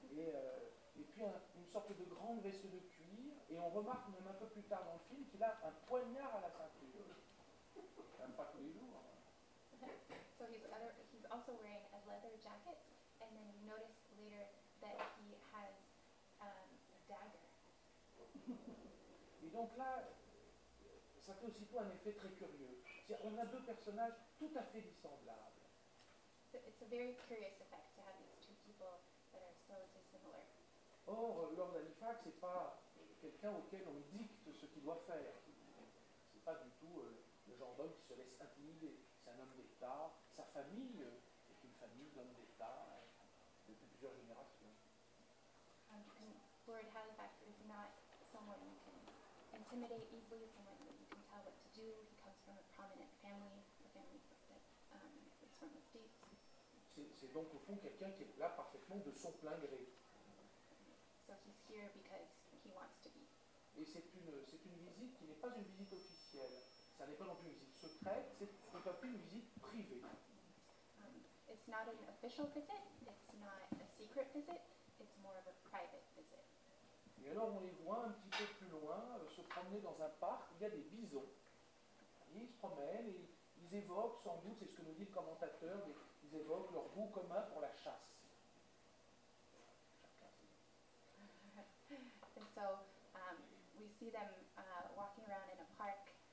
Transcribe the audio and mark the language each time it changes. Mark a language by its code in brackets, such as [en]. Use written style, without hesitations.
[fr] Et puis une sorte de grande veste de cuir, et on remarque même un peu plus tard dans le film qu'il a un poignard à la ceinture. Même pas tous les jours. [en] So he's also wearing a leather jacket, and then you notice later that he has a dagger. [fr] Et donc là, ça fait aussitôt un effet très curieux. C'est-à-dire, on a deux personnages tout à fait dissemblables. [en] So it's a very curious effect to have these two people that are so dissimilar. [fr] Or, Lord Halifax n'est pas quelqu'un auquel on dicte ce qu'il doit faire. C'est pas du tout le genre d'homme qui se laisse intimider. C'est un homme d'État. Sa famille est une famille d'hommes d'État depuis plusieurs générations. [en] Lord Halifax is not someone you can intimidate easily, someone that you can tell what to do. He comes from a prominent family, a family that is from the States. [fr] C'est donc au fond quelqu'un qui est là parfaitement de son plein gré. [en] So he's here because he wants to be. [fr] Et c'est une visite qui n'est pas une visite officielle. Ça n'est pas non plus une visite secrète, c'est un peu plus une visite privée. [en] It's not an official visit, it's not a secret visit, it's more of a private visit. [fr] Et alors on les voit un petit peu plus loin, se promener dans un parc, il y a des bisons. Ils se promènent et ils évoquent sans doute, c'est ce que nous dit le commentateur, mais ils évoquent leur goût commun pour la chasse. [en] And so we see them walking around in a park.